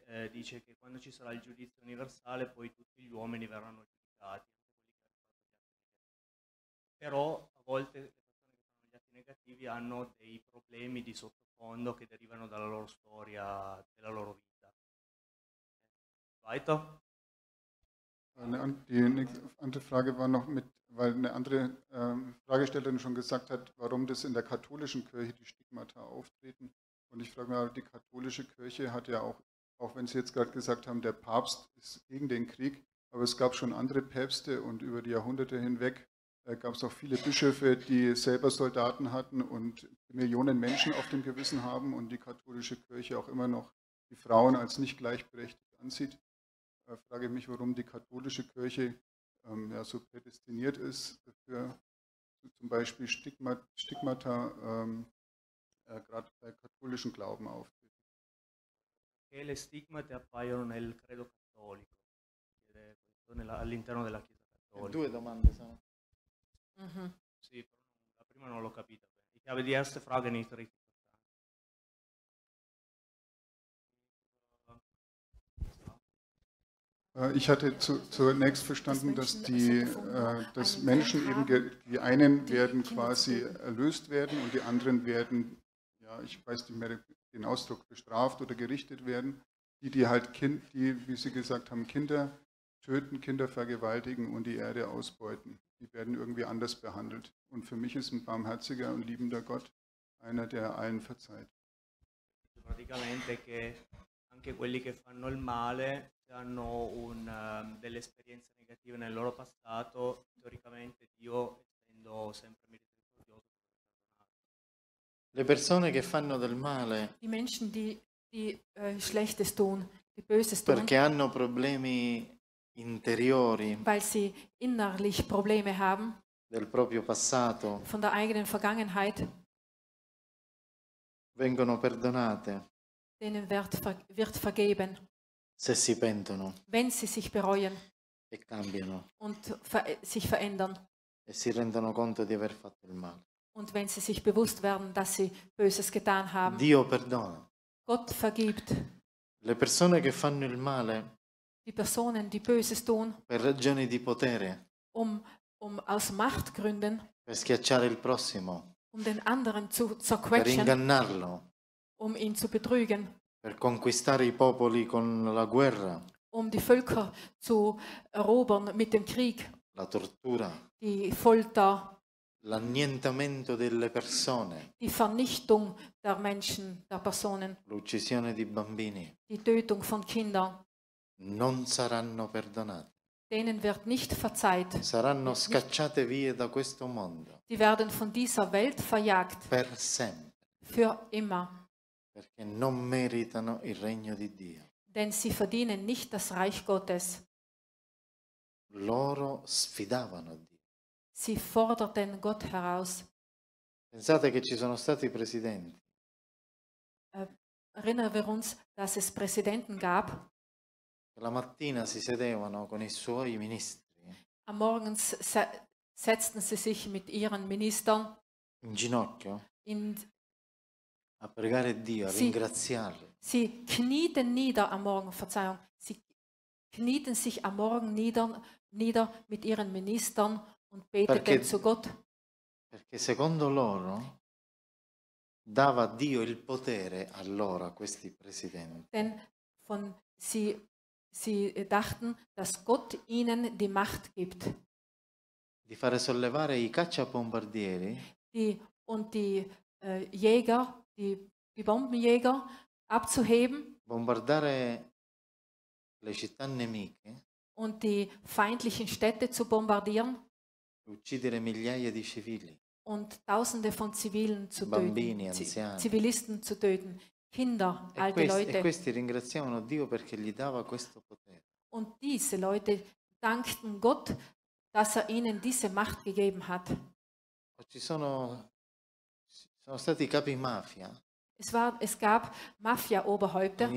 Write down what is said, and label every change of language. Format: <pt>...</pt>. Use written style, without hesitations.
<it>Dice che quando ci sarà il giudizio universale poi tutti gli uomini verranno giudicati, anche quelli che hanno fatto gli atti negativi. Però a volte le persone che fanno gli atti negativi hanno dei problemi di sottofondo che derivano dalla loro storia, della loro vita.</it> <de>Weiter. Die andere Frage war noch mit, weil eine andere Fragestellerin schon gesagt hat, warum das in der katholischen Kirche die Stigmata auftreten. Und ich frage mich, die katholische Kirche hat ja auch wenn Sie jetzt gerade gesagt haben, der Papst ist gegen den Krieg, aber es gab schon andere Päpste und über die Jahrhunderte hinweg gab es auch viele Bischöfe, die selber Soldaten hatten und Millionen Menschen auf dem Gewissen haben und die katholische Kirche auch immer noch die Frauen als nicht gleichberechtigt ansieht. Da frage ich mich, warum die katholische Kirche ja, so prädestiniert ist für zum Beispiel Stigmata. Gerade bei katholischen Glauben auf.</de> <it>Che le stigmate appaiono nel credo cattolico, all'interno della Chiesa cattolica. Due domande sono. Sì, la prima non l'ho capita.</it> <de>Die</de> <it>chiave di</it> <de>erste Frage nicht richtig verstanden. Ich hatte zunächst verstanden, dass Menschen eben die einen werden quasi erlöst werden und die anderen werden ich weiß nicht mehr den Ausdruck, bestraft oder gerichtet werden, die, wie Sie gesagt haben, Kinder töten, Kinder vergewaltigen und die Erde ausbeuten. Die werden irgendwie anders behandelt. Und für mich ist ein barmherziger und liebender Gott einer, der allen verzeiht.</de> <it>Praticamente che anche quelli che fanno il male hanno delle esperienze negative nel loro passato, teoricamente Dio essendo sempre misericordioso. Le persone che fanno del male,</it> <de>die Menschen, die Schlechtes tun, die Böses tun,</de> <it>perché hanno problemi interiori,</it> <de>weil sie innerlich Probleme haben,</de> <it>del proprio passato,</it> <de>von der eigenen Vergangenheit,</de> <it>vengono perdonate,</it> <de>denen wird vergeben,</de> <it>se si pentono,</it> <de>wenn sie sich bereuen,</de> <it>e cambiano,</it> <de>und sich verändern,</de> <it>e si rendono conto di aver fatto il male.</it> <de>Und wenn sie sich bewusst werden, dass sie Böses getan haben.</de> <it>Dio perdona.</it> <de>Gott vergibt.</de> <it>Le persone che fanno il male.</it> <de>Die Personen, die Böses tun.</de> <it>Per ragioni di potere.</it> <de>Um aus Machtgründen.</de> <it>Per schiacciare il prossimo.</it> <de>Um den anderen zu zerquetschen.</de> <it>Per ingannarlo.</it> <de>Um ihn zu betrügen.</de> <it>Per conquistare i popoli con la guerra.</it> <de>Um die Völker zu erobern mit dem Krieg.</de> <it>La tortura.</it> <de>Die Folter.</de> <it>L'annientamento delle persone.</it> <de>Die Vernichtung der Menschen, der Personen.</de> <it>L'uccisione di bambini.</it> <de>Die Tötung von Kindern.</de> <it>Non saranno perdonati.</it> <de>Denen wird nicht verzeiht.</de> <it>Saranno scacciate via da questo mondo.</it> <de>Die werden von dieser Welt verjagt.</de> <it>Per sempre.</it> <de>Für immer.</de> <it>Perché non meritano il regno di Dio.</it> <de>Denn sie verdienen nicht das Reich Gottes.</de> <it>Loro sfidavano Dio.</it> <de>Sie forderten Gott heraus.</de> <it>Pensate che ci sono stati presidenti.</it> <de>Erinnern wir uns, dass es Präsidenten gab.</de> <it>La mattina si sedevano con i suoi ministri.</it> <de>Am Morgen setzten sie sich mit ihren Ministern</de> <it>in ginocchio.</it> <de>In</de> <it>a pregare Dio, a ringraziarlo.</it> <de>Sie knieten nieder am Morgen, Verzeihung, sie knieten sich am Morgen nieder mit ihren Ministern und beteten</de> <it>perché,</it> <de>zu Gott.</de> <it>Perché secondo loro dava Dio il potere a loro, a questi presidenti.</it> <de>Denn von sie dachten, dass Gott ihnen die Macht gibt.</de> <it>Di fare sollevare i cacciabombardieri.</it> <de>Jäger, die Bombenjäger abzuheben.</de> <it>Bombardare le città nemiche.</it> <de>Und die feindlichen Städte zu bombardieren.</de> <it>Uccidere migliaia di civili.</it> <de>Und tausende von Zivilen zu</de> <it>bambini, Bambini, anziani.</it> <de>Zivilisten zu töten. Kinder, alte Leute.</de> <it>E questi ringraziavano Dio perché gli dava questo potere.</it> <de>Und diese Leute dankten Gott, dass er ihnen diese Macht gegeben hat.</de> <it>Ci sono stati capi mafia.</it> <de>Es gab Mafia-Oberhäupter</de>